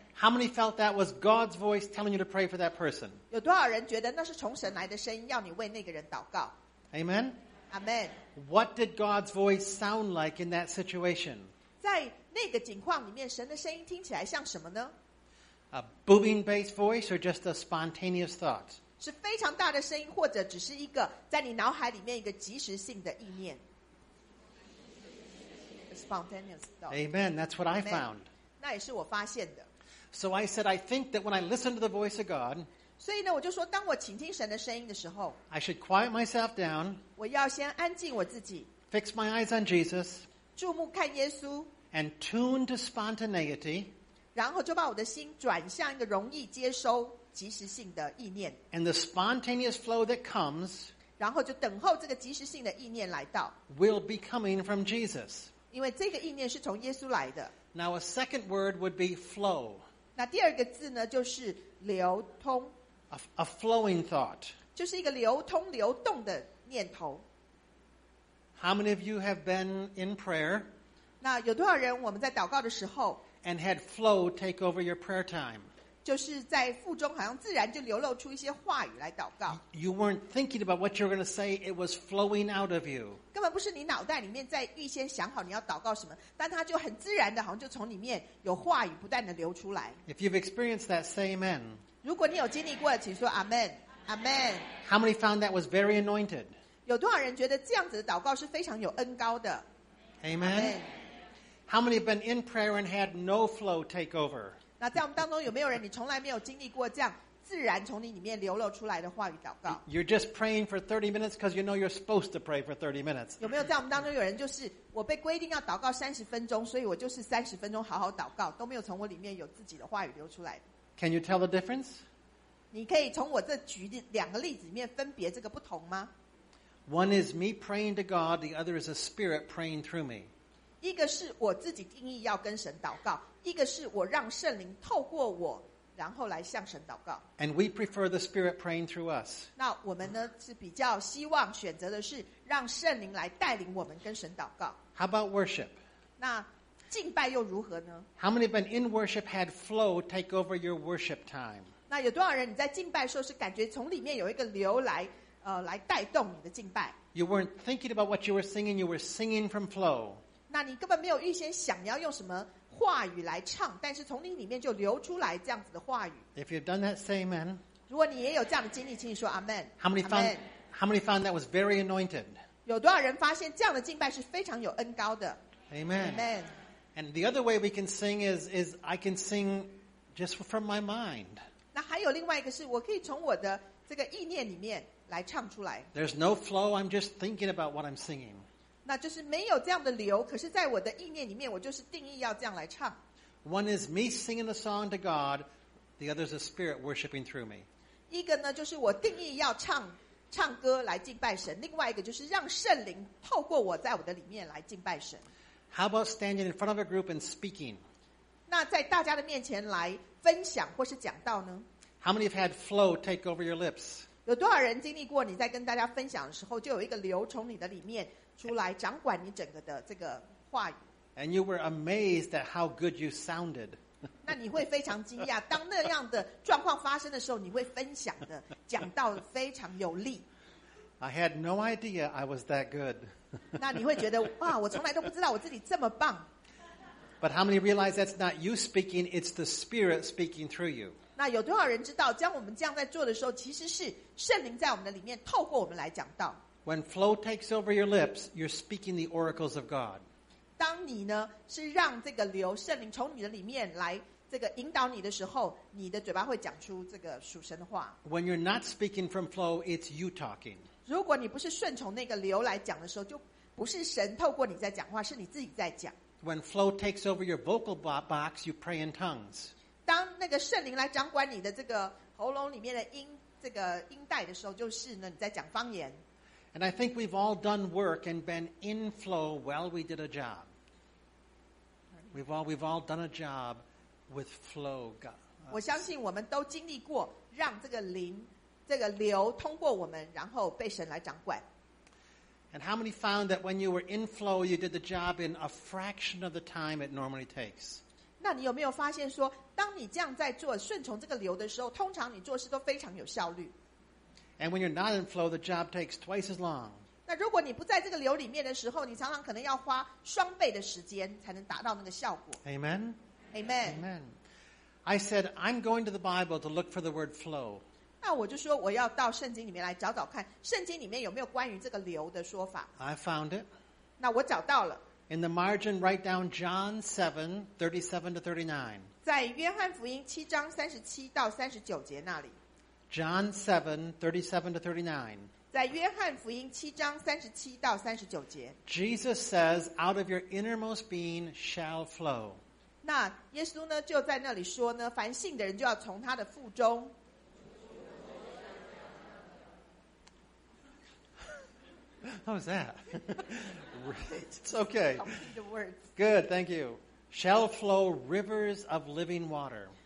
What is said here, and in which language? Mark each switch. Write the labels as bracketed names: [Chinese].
[English] How many felt that was God's voice telling you to pray for that person? [Chinese] 有多少人觉得那是从神来的声音，要你为那个人祷告？ [English] Amen. Amen. What did God's voice sound like in that situation? [Chinese] 在那个情况里面，神的声音听起来像什么呢？ [English] A booming bass voice or just a spontaneous thought? [Chinese] 是非常大的声音，或者只是一个在你脑海里面一个及时性的意念。 [English] Spontaneous thought. Amen. That's what I found. [Chinese] 那也是我发现的。 [English] So I said, I think that when I listen to the voice of God, [Chinese] 所以呢，我就说，当我倾听神的声音的时候， [English] I should quiet myself down. [Chinese] 我要先安静我自己。 [English] Fix my eyes on Jesus. [Chinese] 注目看耶稣。 [English] And tune to spontaneity. [Chinese] 然后就把我的心转向一个容易接收及时性的意念。 [English] And the spontaneous flow that comes, [Chinese] 然后就等候这个及时性的意念来到。 [English] Will be coming from Jesus. [Chinese] 因为这个意念是从耶稣来的。 [English] Now a second word would be flow. [Chinese] 那第二个字呢就是流通。 [English] A flowing thought. [Chinese] 就是一个流通流动的念头。 [English] How many of you have been in prayer? [Chinese] 那有多少人我们在祷告的时候 [English] And had flow take over your prayer time. [Chinese] 就是在腹中好像自然就流露出一些话语来祷告。 [English] You weren't thinking about what you were going to say, it was flowing out of you. [Chinese] 根本不是你脑袋里面在预先想好你要祷告什么，但它就很自然的好像就从里面有话语不断的流出来。 [English] If you've experienced that, say amen. [Chinese] 如果你有经历过，请说 amen. Amen. [English] How many found that was very anointed? [Chinese] 有多少人觉得这样子的祷告是非常有恩膏的？ [English] Amen. Amen. How many have been in prayer and had no flow take over? [Chinese] 那在我们当中有没有人你从来没有经历过这样自然从你里面流露出来的话语祷告？ [English] You're just praying for 30 minutes because you know you're supposed to pray for 30 minutes. [Chinese] 有没有在我们当中有人就是我被规定要祷告30分钟，所以我就是30分钟好好祷告，都没有从我里面有自己的话语流出来？ [English] Can you tell the difference? [Chinese] 你可以从我这举两个例子里面分别这个不同吗？ [English] One is me praying to God, the other is a spirit praying through me. [Chinese] 一个是我自己定义要跟神祷告，一个是我让圣灵透过我，然后来向神祷告。 [English] And we prefer the Spirit praying through us. [Chinese] 那我们呢是比较希望选择的是让圣灵来带领我们跟神祷告。 [English] How about worship? [Chinese] 那敬拜又如何呢？ [English] How many have been in worship had flow take over your worship time? [Chinese] 那有多少人你在敬拜的时候是感觉从里面有一个流来，来带动你的敬拜？ [English] You weren't thinking about what you were singing, you were singing from flow. [Chinese] 那你根本没有预先想你要用什么话语来唱，但是从你里面就流出来这样子的话语。 [English] If you've done that, say amen. [Chinese] 如果你也有这样的经历，请你说 amen. [English] How many found that was very anointed? [Chinese] 有多少人发现这样的敬拜是非常有恩膏的？ [English] Amen. Amen. And the other way we can sing is I can sing just from my mind. [Chinese] 那还有另外一个是我可以从我的这个意念里面来唱出来。 [English] There's no flow. I'm just thinking about what I'm singing. [Chinese] 那就是没有这样的流，可是在我的意念里面，我就是定义要这样来唱。 [English] One is me singing a song to God, the other is a spirit worshiping through me. [Chinese] 一个呢，就是我定义要唱歌来敬拜神；另外一个就是让圣灵透过我在我的里面来敬拜神。 [English] How about standing in front of a group and speaking? [Chinese] 那在大家的面前来分享或是讲道呢 [English] ？How many have had flow take over your lips? [Chinese] 有多少人经历过你在跟大家分享的时候，就有一个流从你的里面？出来掌管你整个的这个话语。 [English] And you were amazed at how good you sounded. [Chinese] 那你会非常惊讶，当那样的状况发生的时候，你会分享的讲到非常有力。 [English] I had no idea I was that good. [Chinese] 那你会觉得哇，我从来都不知道我自己这么棒。 [English] But how many realize that's not you speaking, it's the Spirit speaking through you? [Chinese] 那有多少人知道，将我们这样在做的时候，其实是圣灵在我们的里面透过我们来讲道。 [English] When flow takes over your lips, you're speaking the oracles of God. [Chinese] 当你呢是让这个流圣灵从你的里面来这个引导你的时候，你的嘴巴会讲出这个属神的话。 [English] When you're not speaking from flow, it's you talking. [Chinese] 如果你不是顺从那个流来讲的时候，就不是神透过你在讲话，是你自己在讲。 [English] When flow takes over your vocal box, you pray in tongues. [Chinese] 当那个圣灵来掌管你的这个喉咙里面的音这个音带的时候，就是呢你在讲方言。 [English] And I think we've all done work and been in flow while we did a job. We've all done a job with flow. [Chinese] 我相信我们都经历过让这个灵这个流通过我们然后被神来掌管。 [English] And how many found that when you were in flow, you did the job in a fraction of the time it normally takes? [Chinese] 那你有没有发现说当你这样在做顺从这个流的时候通常你做事都非常有效率。 [English] And when you're not in flow, the job takes twice as long. [Chinese] 那如果你不在这个流里面的时候，你常常可能要花双倍的时间才能达到那个效果。 [English] Amen. Amen. Amen. I said I'm going to the Bible to look for the word flow. [Chinese] 那我就说我要到圣经里面来找找看，圣经里面有没有关于这个流的说法。 [English] I found it. [Chinese] 那我找到了。 [English] In the margin, write down John 7:37-39. [Chinese] 在约翰福音七章三十七到三十九节那里。 [English] John 7:37-39. [Chinese] 在约翰福音七章三十七到三十九节。 [English] Jesus says, "Out of your innermost being shall flow." [Chinese] 那耶稣呢就在那里说呢，凡信的人就要从他的腹中。 [English] How was that? Right. It's okay. Good, thank you. Shall flow rivers of living water.